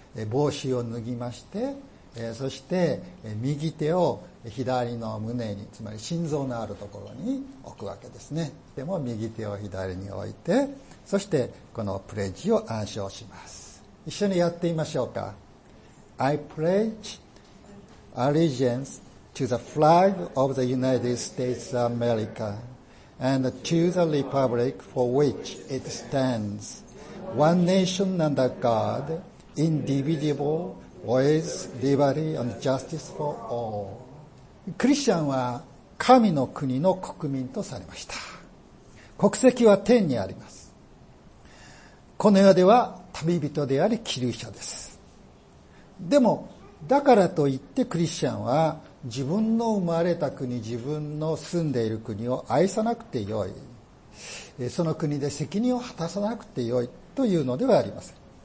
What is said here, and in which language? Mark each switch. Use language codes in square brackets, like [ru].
[ja] 帽子を脱ぎまして、そして右手を左の胸に、つまり心臓のあるところに置くわけですね。でも右手を左に置いて、そしてこのプレッジを暗唱します。一緒にやってみましょうか。 [en] I pledge allegianceTo the flag of the United States of America and to the republic for which it stands, one nation under God, indivisible, with liberty and justice for all. [ja] クリスチャンは神の国の国民とされました。国籍は天にあります。この世では旅人であり、寄留者です。でも、だからといってクリスチャンは自分の生まれた国、自分の住んでいる国を愛さなくてよい、その国で責任を果たさなくてよいというのではありません。